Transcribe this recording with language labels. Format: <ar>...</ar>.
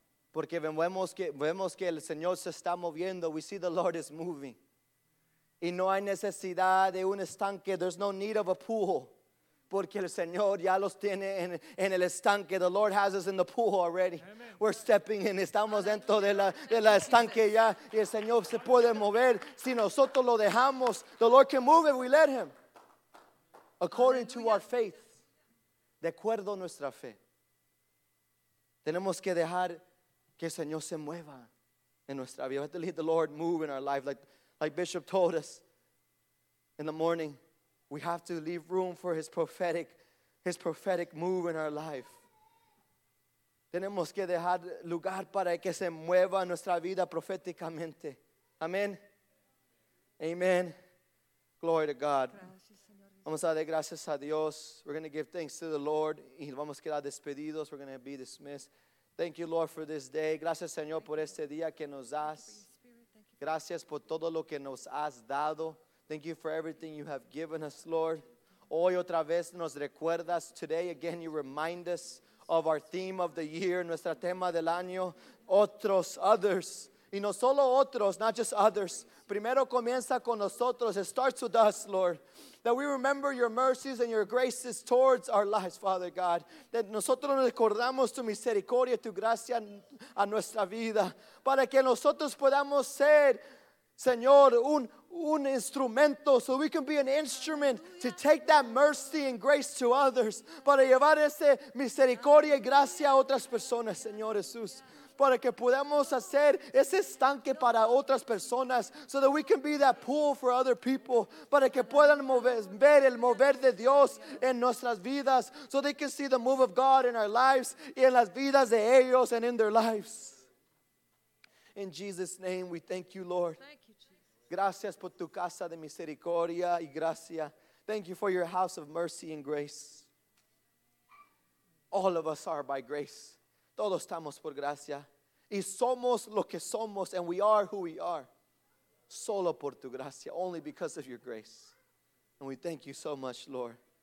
<es>Porque vemos que el Señor se está moviendo.</es> <en>We see the Lord is moving.</en> <es>Y no hay necesidad de un estanque.</es> <en>There's no need of a pool.</en> <es>Porque el Señor ya los tiene en el estanque.</es> <en>The Lord has us in the pool already.</en> <es>Amen.</es> <en>We're stepping in.</en> <es>Estamos dentro de la estanque ya. Y el Señor se puede mover. Si nosotros lo dejamos,</es> <en>the Lord can move if we let him. According to our faith.</en> <es>De acuerdo a nuestra fe. Tenemos que dejar que el Señor se mueva en nuestra vida.</es> <en>We have to let the Lord move in our life. Like Bishop told us in the morning, we have to leave room for his prophetic move in our life.</en> <es>Tenemos que dejar lugar para que se mueva nuestra vida proféticamente.</es> <en>Amen. Amen. Glory to God.</en> <es>Vamos a dar gracias a Dios.</es> <en>We're going to give thanks to the Lord.</en> <es>Y vamos a quedar despedidos.</es> <en>We're going to be dismissed. Thank you, Lord, for this day.</en> <es>Gracias, Señor, por este día que nos das. Gracias por todo lo que nos has dado.</es> <en>Thank you for everything you have given us, Lord.</en> <es>Hoy otra vez nos recuerdas.</es> <en>Today again you remind us of our theme of the year,</en> <es>nuestro tema del año. Otros,</es> <en>others.</en> <es>Y no solo otros,</es> <en>not just others.</en> <es>Primero comienza con nosotros.</es> <en>It starts with us, Lord. That we remember your mercies and your graces towards our lives, Father God. That</en> <es>nosotros recordamos tu misericordia, tu gracia a nuestra vida. Para que nosotros podamos ser, Señor, un instrumento.</es> <en>So we can be an instrument to take that mercy and grace to others.</en> <es>Para llevar ese misericordia y gracia a otras personas, Señor Jesús. Para que podamos hacer ese estanque para otras personas.</es> <en>So that we can be that pool for other people.</en> <es>Para que puedan ver el mover de Dios en nuestras vidas.</es> <en>So they can see the move of God in our lives.</en> <es>Y en las vidas de ellos</es> <en>and in their lives. In Jesus' name we thank you, Lord. Thank you, Jesus.</en> <es>Gracias por tu casa de misericordia y gracia.</es> <en>Thank you for your house of mercy and grace. All of us are by grace.</en> <es>Todos estamos por gracia. Y somos lo que somos.</es> <en>And we are who we are.</en> <es>Solo por tu gracia.</es> <en>Only because of your grace. And we thank you so much, Lord.</en>